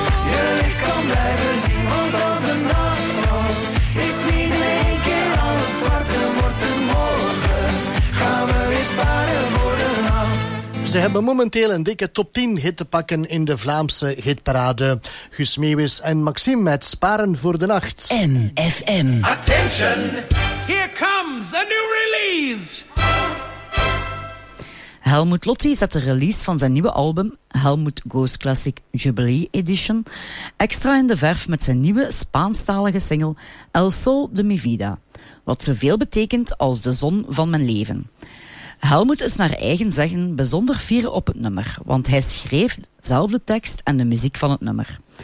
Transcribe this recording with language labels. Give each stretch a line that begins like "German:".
Dutch: Je licht kan blijven zien, want als de nacht valt, is niet in één keer alles zwart en wordt het morgen. Gaan we weer sparen voor de nacht. Ze hebben momenteel een dikke top 10 hit te pakken in de Vlaamse hitparade. Guus Meeuwis en Maxime met Sparen voor de Nacht. NFM.
English: Attention! Here comes a new release!
Dutch: Helmut Lotti zet de release van zijn nieuwe album, Helmut Goes Classic Jubilee Edition, extra in de verf met zijn nieuwe Spaanstalige single El Sol de Mi Vida, wat zoveel betekent als de zon van mijn leven. Helmut is naar eigen zeggen bijzonder fier op het nummer, want hij schreef zelf de tekst en de muziek van het nummer.